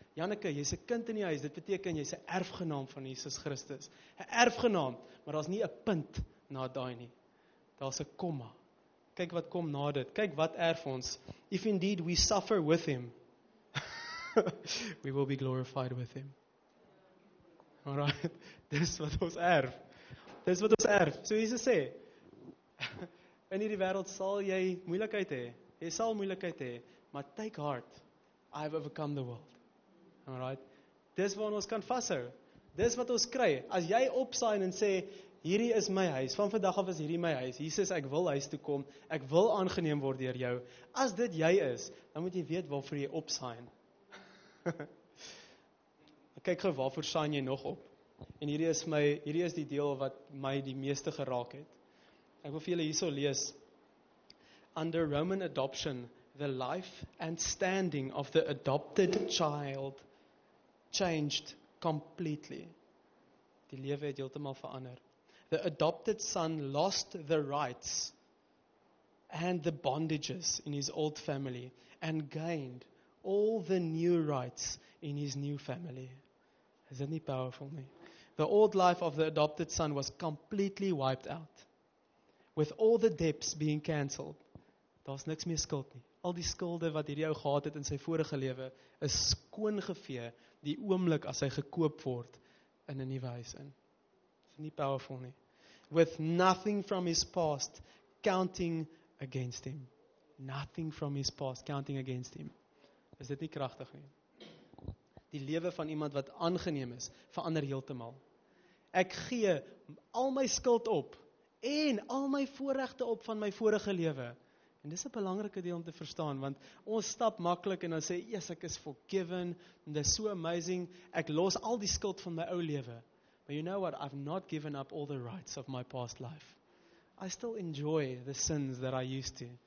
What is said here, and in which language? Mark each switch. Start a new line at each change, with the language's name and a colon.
Afrikaans: Janneke, jy's 'n kind in die huis. Dit beteken jy's 'n erfgenaam van Jesus Christus. 'n Erfgenaam, maar daar's nie 'n punt na daai nie. Daar's 'n komma. Kyk wat kom na dit. Kyk wat erf ons.
English: If indeed we suffer with him, we will be glorified with him.
Afrikaans: Alright, dis wat ons erf. Dis wat ons erf. So Jesus sê, in hierdie wêreld sal jy moeilikheid hê. Jy sal moeilikheid hê, maar
English: take heart. I have overcome the world.
Afrikaans: Alright, dis wat ons kan vashou. Dis wat ons kry. As jy opsaai en sê, hierdie is my huis, van vandag af is hierdie my huis, Jesus, ek wil huis toe kom, ek wil aangeneem word deur jou, as dit jy is, dan moet jy weet waarvoor jy opsaai. Kyk gou, waarvoor saai jy nog op? En hierdie is die deel wat my die meeste geraak het. Ek wil vir julle hierso lees.
English: Under Roman adoption, the life and standing of the adopted child changed completely.
Afrikaans: Die lewe het heeltemal verander.
English: The adopted son lost the rights and the bondages in his old family and gained all the new rights in his new family.
Afrikaans: Is dit nie powerful nie?
English: The old life of the adopted son was completely wiped out. With all the debts being cancelled.
Afrikaans: Daar's niks meer skuld nie. Al die skulde wat hierdie ou gehad het in sy vorige lewe, is skoongevee die oomblik as hy gekoop word in 'n nuwe huis in. Dis nie powerful nie.
English: With nothing from his past counting against him. Nothing from his past counting against him.
Afrikaans: Is dit nie kragtig nie? Die lewe van iemand wat aangeneem is, verander heeltemal. Ek gee al my skuld op en al my voorregte op van my vorige lewe. En dis 'n belangrike deel om te verstaan, want ons stap maklik en dan sê, "Yes, ek is forgiven,
English: and it's so amazing.
Afrikaans: Ek los al die skuld van my ou lewe."
English: But you know what? I've not given up all the rights of my past life. I still enjoy the sins that I used to.